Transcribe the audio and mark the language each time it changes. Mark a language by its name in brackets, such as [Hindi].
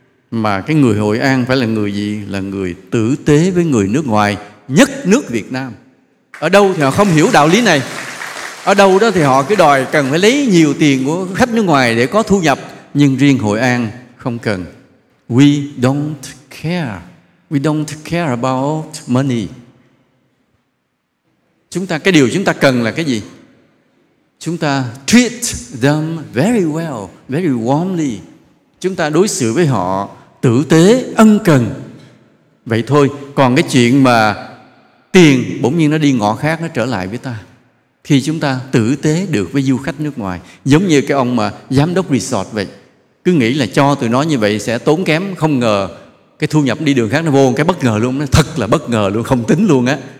[Vietnamese] Mà cái người Hội An phải là người gì? Là người tử tế với người nước ngoài, nhất nước Việt Nam. Ở đâu thì họ không hiểu đạo lý này, ở đâu đó thì họ cứ đòi cần phải lấy nhiều tiền của khách nước ngoài để có thu nhập. Nhưng riêng Hội An không cần. [English] We don't care. We don't care about money. [Vietnamese] Chúng ta, cái điều chúng ta cần là cái gì? Chúng ta [English] treat them very well, very warmly. [Vietnamese] Chúng ta đối xử với họ tử tế, ân cần. Vậy thôi. Còn cái chuyện mà tiền bỗng nhiên nó đi ngõ khác, nó trở lại với ta, thì chúng ta tử tế được với du khách nước ngoài. Giống như cái ông mà giám đốc resort vậy, cứ nghĩ là cho tụi nó như vậy sẽ tốn kém, không ngờ cái thu nhập đi đường khác nó vô cái bất ngờ luôn. Nó thật là bất ngờ luôn, không tính luôn á.